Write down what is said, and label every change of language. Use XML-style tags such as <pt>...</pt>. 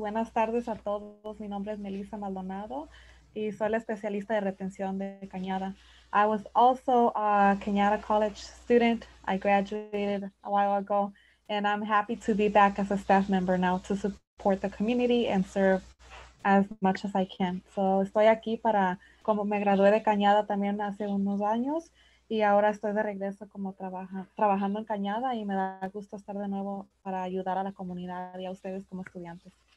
<es>Buenas tardes a todos, mi nombre es Melissa Maldonado y soy la especialista de retención de Cañada.</es> <en>I was also a Cañada College student. I graduated a while ago and I'm happy to be back as a staff member now to support the community and serve as much as I can.</en> <es>So estoy aquí para, como me gradué de Cañada también hace unos años, y ahora estoy de regreso como trabajando en Cañada y me da gusto estar de nuevo para ayudar a la comunidad y a ustedes como estudiantes.</es>